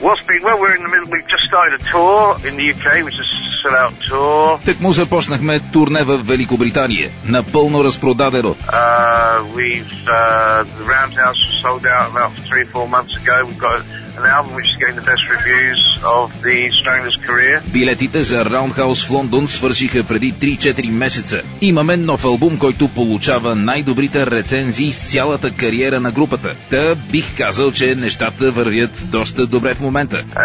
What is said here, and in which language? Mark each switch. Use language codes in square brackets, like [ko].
[en] Well, we're in the middle, we've just started a tour in the UK, which is... [bg] Так му започнахме турне в Великобритания. Напълно разпродадено. [en] The Roundhouse was sold out about 3-4 months ago. We've got an album which is getting the best reviews of the Stranglers' career. [bg] Билетите за Roundhouse в Лондон свършиха преди 3-4 месеца. Имаме нов албум, който получава най-добрите рецензии в цялата кариера на групата. Та бих казал, че нещата вървят доста добре в момента.